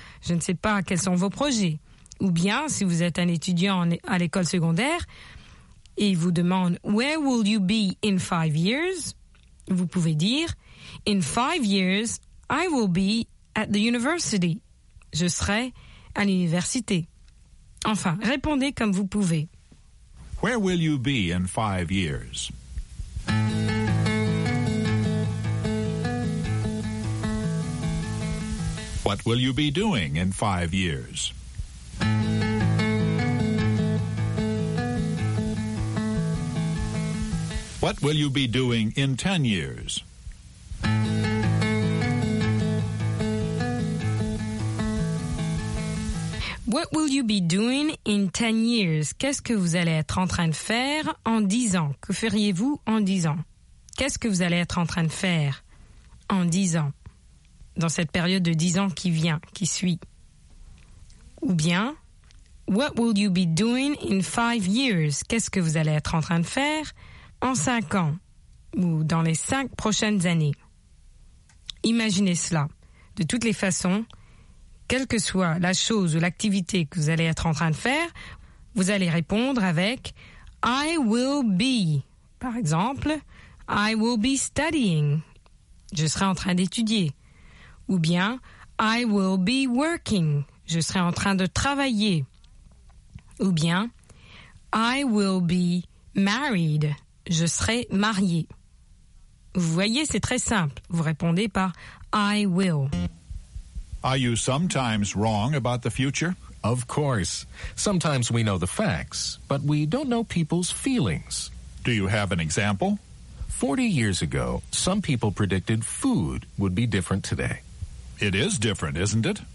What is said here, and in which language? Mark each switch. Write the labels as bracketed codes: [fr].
[fr] Je ne sais pas quels sont vos projets. Ou bien, si vous êtes un étudiant à l'école secondaire et il vous demande « [en] Where will you be in 5 years? [fr] » Vous pouvez dire « [en] In 5 years, I will be at the university. [fr] » Je serai à l'université. Enfin, répondez comme vous pouvez. [en] « Where will you be in 5 years? » What will you be doing in 5 years? What will you be doing in 10 years? What will you be doing in 10 years? [fr] Qu'est-ce que vous allez être en train de faire en 10 ans? Que feriez-vous en 10 ans? Qu'est-ce que vous allez être en train de faire en 10 ans? Dans cette période de 10 ans qui vient, qui suit. Ou bien, [en] what will you be doing in 5 years? [fr] Qu'est-ce que vous allez être en train de faire en 5 ans? Ou dans les 5 prochaines années? Imaginez cela. De toutes les façons, quelle que soit la chose ou l'activité que vous allez être en train de faire, vous allez répondre avec « [en] I will be ». [fr] Par exemple, « [en] I will be studying ». [fr] Je serai en train d'étudier. Ou bien « [en] I will be working ». [fr] Je serai en train de travailler. Ou bien « [en] I will be married ». [fr] Je serai marié. Vous voyez, c'est très simple. Vous répondez par « [en] I will ». Are you sometimes wrong about the future? Of course. Sometimes we know the facts, but we don't know people's feelings. Do you have an example? 40 years ago, some people predicted food would be different today. It is different, isn't it?